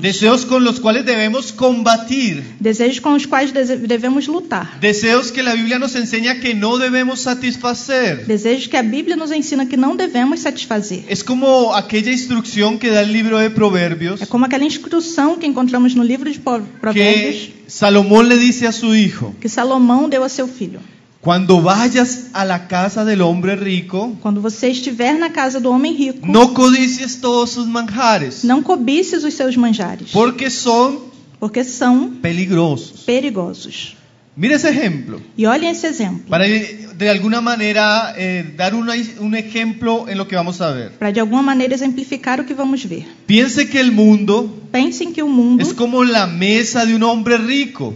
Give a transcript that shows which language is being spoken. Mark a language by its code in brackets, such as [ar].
[es] Deseos con los cuales debemos combatir. [pt] Desejos com os quais devemos lutar. [es] Deseos que la Biblia nos enseña que no debemos satisfacer. [pt] Desejos que a Bíblia nos ensina que não devemos satisfazer. [es] Es como aquella instrucción que da el libro de Proverbios. [pt] É como aquela instrução que encontramos no livro de Provérbios. [es] Salomão le dice a su hijo. [pt] Que Salomão deu a seu filho. [es] Cuando vayas a la casa del hombre rico, [pt] quando você estiver na casa do homem rico, [es] no codices todos sus manjares. [pt] Não cobices os seus manjares. [es] Porque son peligrosos. [pt] Perigosos. [es] Mira ese ejemplo. [pt] E olhem esse exemplo. [es] Para de alguna manera dar un ejemplo en lo que vamos a ver. [pt] Para de alguma maneira exemplificar o que vamos ver. [es] Piense que el mundo. [pt] Pensem que o mundo. [es] Es como la mesa de un hombre rico.